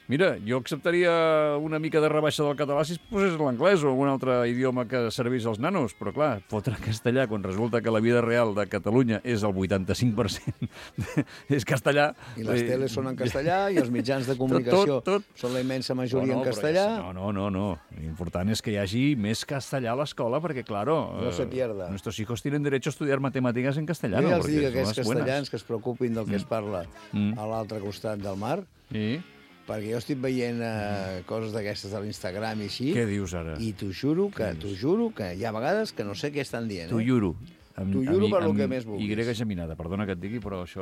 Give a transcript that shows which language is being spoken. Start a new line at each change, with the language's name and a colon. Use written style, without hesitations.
Catalan: Mira, jo acceptaria una mica de rebaixa del català si es posés l'anglès o algun altre idioma que servís als nanos, però clar, fotre castellà quan resulta que la vida real de Catalunya és el 85% és castellà. I les teles són en castellà i els mitjans de comunicació tot. Són la immensa majoria en castellà. No. L'important és que hi hagi més castellà a l'escola, perquè, claro...
Spanish: No se pierda. Nuestros hijos tienen derecho a estudiar matemáticas en castellano.
Catalan: Ja els digui a aquests castellans que es preocupin del que es parla. A l'altre costat del mar. I? Perquè jo estic veient coses d'aquestes a l'Instagram i així. Què dius ara? I t'ho juro que hi ha vegades que no sé què estan dient. T'ho juro. T'ho juro per lo que més vulguis. Y geminada, perdona que et digui, però això...